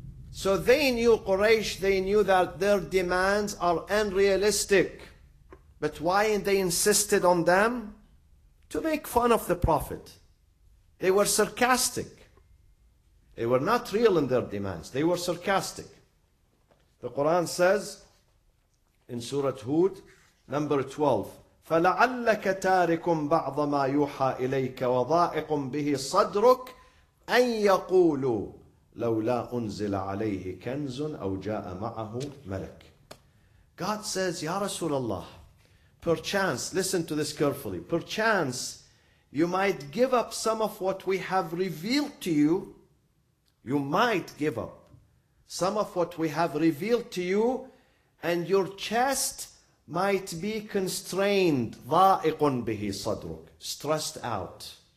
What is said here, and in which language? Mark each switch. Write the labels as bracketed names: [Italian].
[English] So they knew, Quraysh, they knew that their demands are unrealistic. But why they insisted on them? To make fun of the Prophet. They were sarcastic. They were not real in their demands. They were sarcastic. The Quran says in Surah Hud, number 12, [Arabic] فَلَعَلَّكَ تَارِكُمْ بَعْضَ مَا يُوحَى إِلَيْكَ وَضَائِقٌ بِهِ صَدْرُكَ أَنْ يَقُولُوا لَوْلَا أُنْزِلَ عَلَيْهِ كَنْزٌ أَوْ جَاءَ مَعَهُ مَلَكٌ. [English] God says, Ya Rasulullah, perchance, listen to this carefully, perchance you might give up some of what we have revealed to you. You might give up some of what we have revealed to you, and your chest might be constrained, [Arabic] ضَائِقٌ بِهِ صَدْرُكُ, [English] stressed out.